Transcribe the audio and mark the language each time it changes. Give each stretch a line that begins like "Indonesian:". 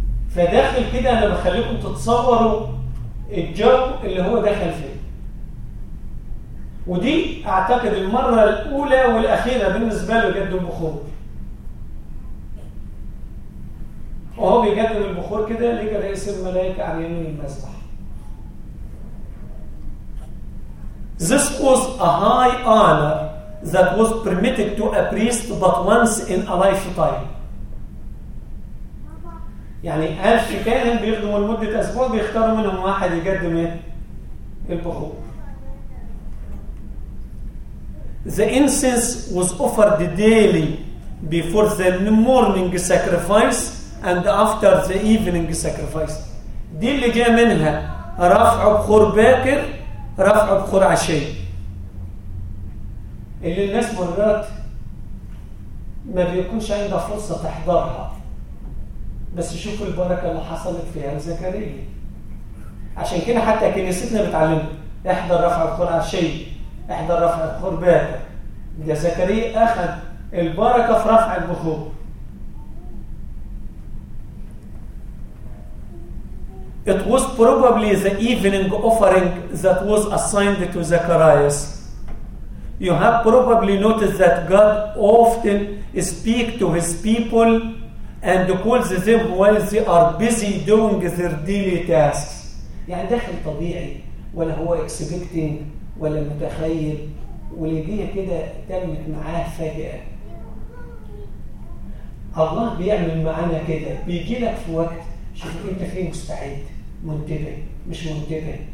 Arabic: فداخل كده انا بخليكم تتصوروا الجو اللي هو دخل فيه. ودي اعتقد المره الاولى والاخيره بالنسبه له يقدم بخور. وهو بيقدم البخور كده لقى رئيس الملائكه عن يمين المسبح.
English: This was a high honor that was permitted to a priest but once in a lifetime.
Arabic: يعني ألف كاهن بيخدموا لمدة أسبوع بيختاروا منهم واحد يقدم البخور.
English: The incense was offered daily before the morning sacrifice and after the evening sacrifice.
Arabic: دي اللي جاء منها رفع بخور باكر رفع بخور عشية. اللي الناس مرات ما بيكونش عندها فرصة تحضرها. بس شوفوا البركة اللي حصلت فيها زكريا. عشان كده حتى كنيستنا بتعلم احضر رفع بخور عشية احضر رفع بخور باكر. ده زكريا اخذ البركة في رفع البخور.
English: It was probably the evening offering that was assigned to Zacharias. You have probably noticed that God often speaks to his people and calls them while they are busy doing their daily tasks.
Arabic: يعني داخل طبيعي ولا هو expecting ولا متخيل والدنيا كده تمت معاه فجأة. الله بيعمل معانا كده بيجي لك في وقت شوف انت فيه مستعد منتبه مش منتبه.